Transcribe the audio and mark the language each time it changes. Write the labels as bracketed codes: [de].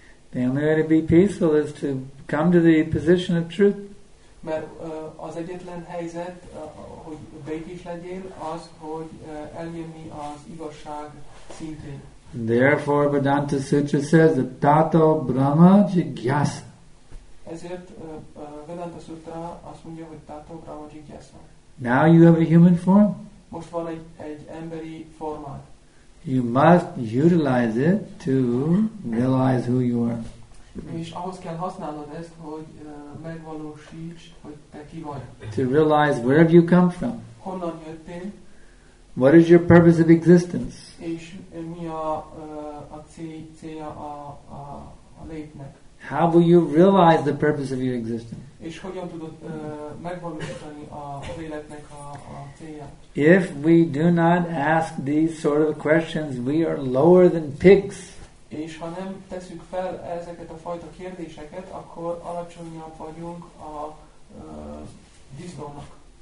[en] The only way to be peaceful is to come to the position of truth. [hu] Mert az egyetlen helyzet, hogy békés legyél, az, hogy eljönni az igazság szintén. [en] Therefore, Vedanta Sutra says that Tato Brahma Jigyasa. [hu] Ezért Vedanta Sutra azt mondja, hogy Tato Brahma Jigyasa. [en] Now you have a human form. [hu] Most van egy emberi formád. [en] You must utilize it to realize who you are. [hu] És ahhoz kell használnod ezt, hogy megvalósíts, hogy te ki vagy. [en] To realize where have you come from. [hu] Honnan jöttél? [en] What is your purpose of existence? [hu] És mi a célja a létnek? [en] How will you realize the purpose of your existence? [hu] És hogyan tudod megvalósítani a léleknek a célját? [en] If we do not ask these sort of questions, we are lower than pigs. [hu] És ha nem tesszük fel ezeket a fajta kérdéseket, akkor alacsonyabb vagyunk a disznónak.